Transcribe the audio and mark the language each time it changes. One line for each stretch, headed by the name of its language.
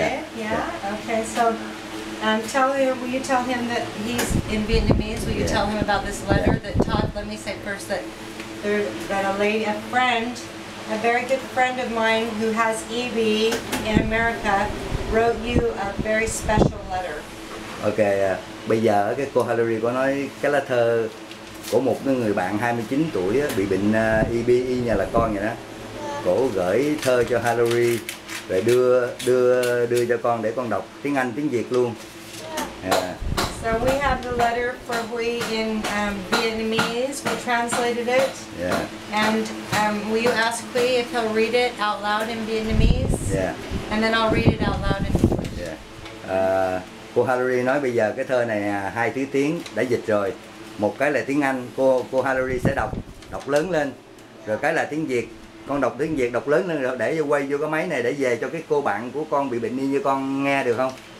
English: Tell him, will you tell him that he's in Vietnamese? Will you tell him about this letter that Todd, let me say first that a very good friend of mine who has EB in America wrote you a very special letter.
Vietnamese: Okay, bây giờ cái cô Hillary có nói cái lá thơ của một người bạn 29 tuổi bị bệnh EB y như là con vậy đó. Cổ gửi thơ cho Hillary rồi đưa cho con để con đọc tiếng Anh tiếng Việt luôn.
English: So we have the letter for Huy in Vietnamese. We translated it. And will you ask Huy if he'll read it out loud in Vietnamese? And then I'll read it out loud in English.
Vietnamese: Cô Hillary nói bây giờ cái thơ này hai thứ tiếng đã dịch rồi. Một cái là tiếng Anh, cô Hillary sẽ đọc lớn lên. Rồi cái là tiếng Việt. Con đọc tiếng Việt đọc lớn lên rồi để quay vô cái máy này để về cho cái cô bạn của con bị bệnh đi như con nghe được không?